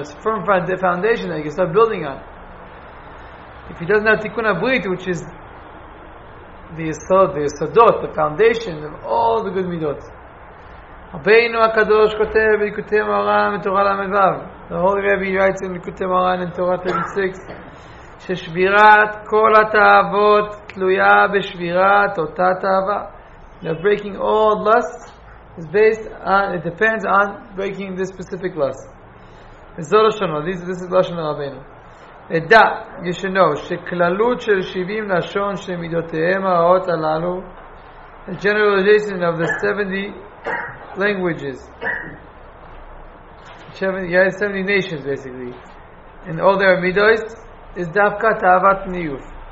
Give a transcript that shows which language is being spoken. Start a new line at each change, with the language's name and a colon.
English: It's a firm foundation that he can start building on. If he doesn't have tikkun habrit, which is the yesodot, the foundation of all the good midot.
Hebrew: רבינו הקדוש כותב בליקוטי מוהר"ן בתורה ל"ו.
English: The Holy Rabbi writes in ליקוטי מוהר"ן in Torah 36.
Hebrew: ששבירת כל התאוות תלויה בשבירת אותה תאווה.
English: Now breaking all lusts is based on, it depends on breaking this specific lust.
Hebrew: וזו לשונו,
English: this is
Hebrew: לשון הרבינו. ודע, ישנו, שכללות של 70 לשון שמידותיהם הרעות הללו,
English: the generalization of the 70 languages, 70 nations basically, and all their midos, is
Hebrew: דווקא תאוות ניוף.